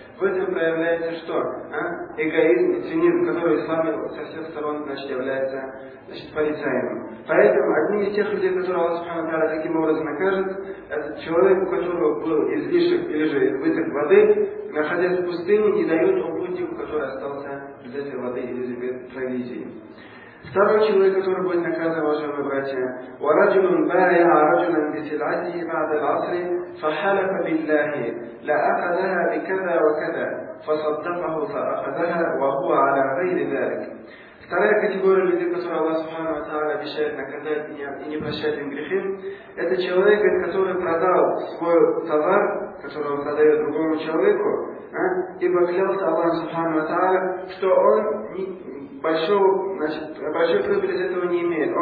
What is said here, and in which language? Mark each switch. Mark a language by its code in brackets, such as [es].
[ru] В этом проявляется что? Эгоизм и цинизм, который с вами со всех сторон является порицаемым. Поэтому одни из тех людей, которые Аллах Субхана Тааля таким образом накажет, это человек, у которого был излишек или же избыток воды, находясь в пустыне, не дает ему путнику, который остался без этой воды или без провизии. Второй человек, который будет наказан, уважаемые братья, [ar] وَرَجُلٌ بَاعَ رَجُلًا بِسِلْعَتِهِ بَعْدَ الْعَصْرِ فَحَلَفَ بِاللَّهِ لَأَخَذَهَا بِكَذَا وَكَذَا فَصَدَّقَهُ فَأَخَذَهَا وَهُوَ عَلَى غَيْرِ ذَلِكَ. [ru] Вторая категория людей, которые Аллах Субхану ва Тааля обещает наказать и не прощает им грехи, это человек, который продал свой товар, который он продает другому человеку, и поклялся Аллаху Субхану ва Тааля, что он большой прибыли из этого не имеет.